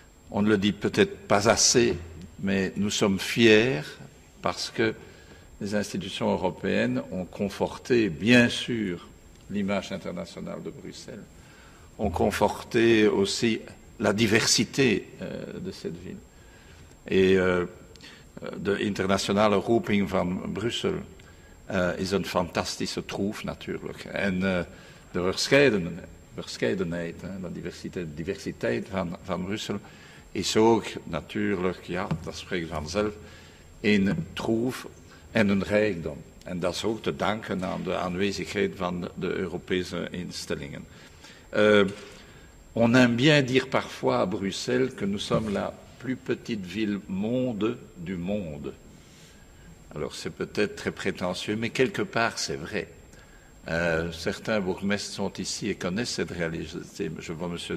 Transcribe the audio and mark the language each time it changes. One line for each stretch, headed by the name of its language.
French: On ne le dit peut-être pas assez, mais nous sommes fiers parce que les institutions européennes ont conforté, bien sûr, l'image internationale de Bruxelles, ont conforté aussi la diversité de cette ville.
Dutch: Et de l'international roeping van Brussel is een fantastische troef natuurlijk. En de verscheidenheid, la diversiteit van Brussel is ook natuurlijk, ja, dat spreekt vanzelf, een troef en een rijkdom. En dat is ook te danken aan de aanwezigheid van de Europese instellingen.
French: On aime bien dire parfois à Bruxelles que nous sommes la plus petite ville monde du monde. Alors c'est peut-être très prétentieux, mais quelque part c'est vrai. Certains bourgmestres sont ici et connaissent cette réalité. Je vois M.